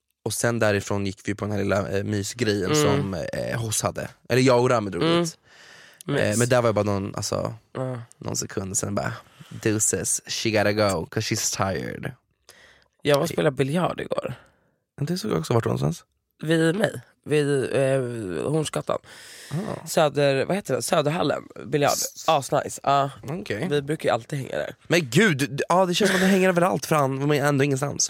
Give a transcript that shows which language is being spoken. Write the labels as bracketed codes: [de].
[sv] Och sen därifrån gick vi på den här lilla mysgrejen som hos hade. Eller jag och Rami drog dit. Men där var jag bara någon, alltså, någon sekund. Sen bara, [en] deuces, she gotta go, cause she's tired. [sv] Jag var och spelade biljard igår. Det såg jag också, vart någonstans? Vid mig, vid Hornsgatan. Söder, vad heter det? Söderhallen, biljard. Asnice. [en] Okay. [sv] Vi brukar ju alltid hänga där. Men gud, det känns som att det hänger överallt, för han var ändå ingenstans.